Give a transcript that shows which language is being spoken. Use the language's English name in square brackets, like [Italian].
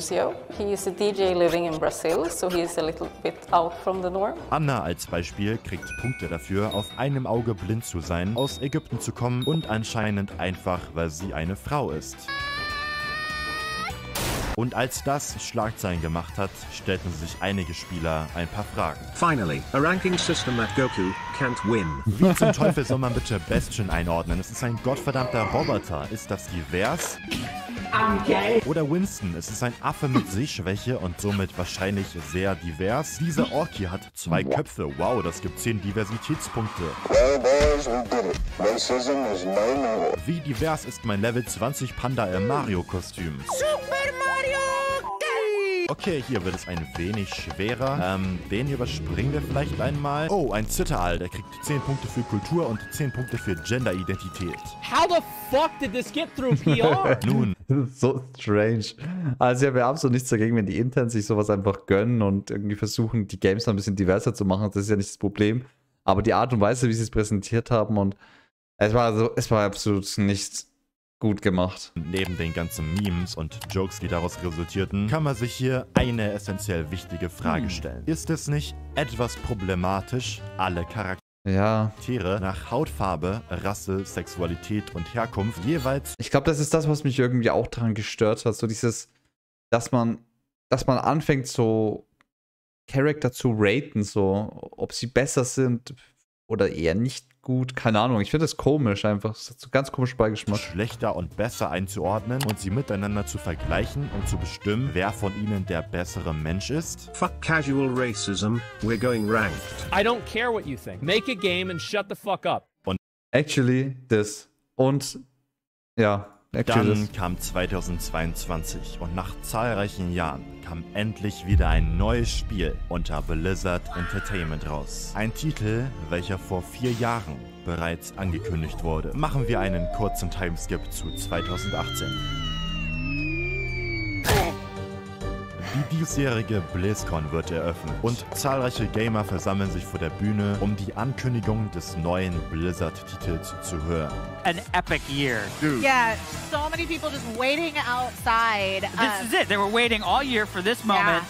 [English] He is a DJ living in Brazil, so he is a little bit out from the norm. [German] Anna als Beispiel kriegt Punkte dafür, auf einem Auge blind zu sein, aus Ägypten zu kommen und anscheinend einfach, weil sie eine Frau ist. Und als das Schlagzeilen gemacht hat, stellten sich einige Spieler ein paar Fragen. [English] Finally, a ranking system that Goku can't win. [German] Wie zum Teufel soll man bitte Bastion einordnen? Es ist ein gottverdammter Roboter. Ist das divers? [English] I'm gay. [German] Oder Winston? Es ist ein Affe mit Sehschwäche und somit wahrscheinlich sehr divers. Dieser Ork hier hat 2 Köpfe. Wow, das gibt 10 Diversitätspunkte. [English] Well, boys, we did it. Racism is no more. [German] Wie divers ist mein Level 20 Panda im Mario-Kostüm? [English] Super Mario! [German] Okay, hier wird es ein wenig schwerer. Den überspringen wir vielleicht einmal. Oh, ein Zitteraal. Der kriegt 10 Punkte für Kultur und 10 Punkte für Gender-Identität. [English] How the fuck did this get through PR? [German] Nun. [English] So strange. [German] Also ich habe ja absolut nichts dagegen, wenn die intern sich sowas einfach gönnen und irgendwie versuchen, die Games ein bisschen diverser zu machen. Das ist ja nicht das Problem. Aber die Art und Weise, wie sie es präsentiert haben und es war absolut nichts gut gemacht. Neben den ganzen Memes und Jokes, die daraus resultierten, kann man sich hier eine essentiell wichtige Frage stellen. Ist es nicht etwas problematisch, alle Charaktere nach Hautfarbe, Rasse, Sexualität und Herkunft jeweils... Ich glaube, das ist das, was mich irgendwie auch daran gestört hat. So dieses, dass man anfängt, so Charakter zu raten, so ob sie besser sind oder eher nicht. Gut, keine Ahnung, ich finde das komisch einfach, das hat so ganz komisch Beigeschmack. Schlechter und besser einzuordnen und sie miteinander zu vergleichen und zu bestimmen, wer von ihnen der bessere Mensch ist. [English] Fuck casual racism, we're going ranked. I don't care what you think, make a game and shut the fuck up. [German] Und [English] actually this [German] und ja, actually dann this. Kam 2022 und nach zahlreichen Jahren kam endlich wieder ein neues Spiel unter Blizzard Entertainment raus. Ein Titel, welcher vor 4 Jahren bereits angekündigt wurde. Machen wir einen kurzen Timeskip zu 2018. Die diesjährige BlizzCon wird eröffnet und zahlreiche Gamer versammeln sich vor der Bühne, um die Ankündigung des neuen Blizzard-Titels zu hören. [English] An epic year, dude. Yeah, so many people just waiting outside. This is it. They were waiting all year for this moment.